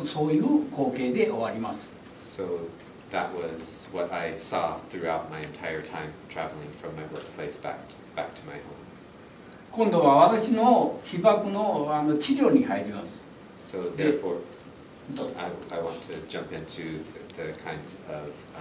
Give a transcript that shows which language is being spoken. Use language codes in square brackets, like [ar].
[ja] で、私が見た、職場からそこまで家までの光景は、そういう光景で終わります。 [en] So that was what I saw throughout my entire time traveling from my workplace back to my home. [ja] 今度は私の被爆の治療に入ります。 [en] So therefore, I want to jump into the kinds of